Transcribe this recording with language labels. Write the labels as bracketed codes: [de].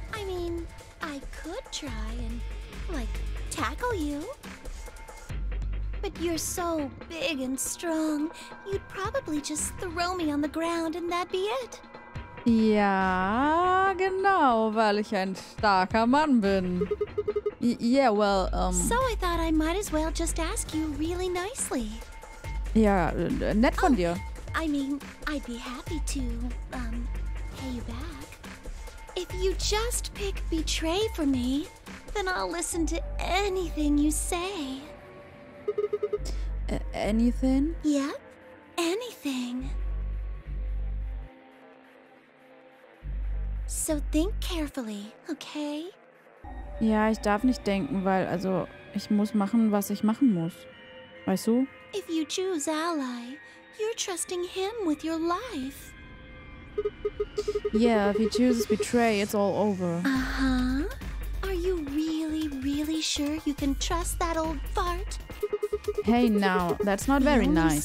[en] I mean, I could try and, like, tackle you. But you're so big and strong, you'd probably just throw me on the ground and that'd be it. [de] Ja, genau, weil ich ein starker Mann bin. [en] Yeah, well, So I thought I might as well just ask you really nicely. [de] Ja, nett von dir. [en] I mean, I'd be happy to, pay you back. If you just pick betray for me, then I'll listen to anything you say. Anything? Yep, anything. So think carefully, okay? [de] Ja, ich darf nicht denken, weil, also, ich muss machen, was ich machen muss. Weißt du? [en] If you choose ally, you're trusting him with your life. Yeah, if he chooses betray, it's all over. Uh-huh. Are you really, really sure you can trust that old fart? Hey, now, that's not very nice.